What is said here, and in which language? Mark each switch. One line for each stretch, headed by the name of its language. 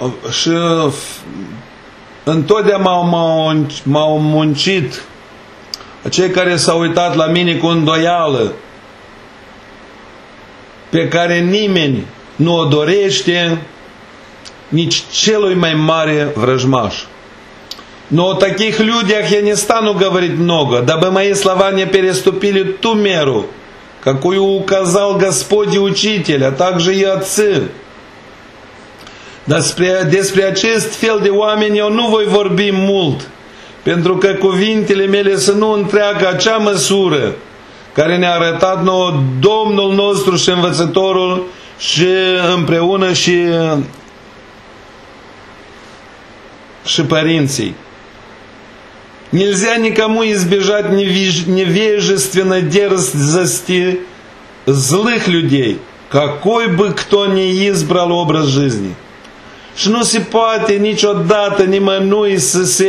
Romanian: și întotdeauna m-au muncit acei care s-au uitat la mine cu îndoială, pe care nimeni nu o dorește, nici celui mai mare vrăjmaș.
Russian: Но о таких людях я не стану говорить много, дабы мои слова не переступили ту меру, какую указал Господь и Учитель, а также и отцы.
Romanian: Despre acest fel de oameni eu nu voi vorbi mult, pentru că cuvintele mele să nu întreagă acea măsură care ne-a arătat nouă Domnul nostru și Învățătorul și împreună și părinții.
Russian: Нельзя никому избежать невежественной дерзости злых людей, какой бы кто ни избрал образ жизни.
Romanian: Și nu se poate niciodată nimănui să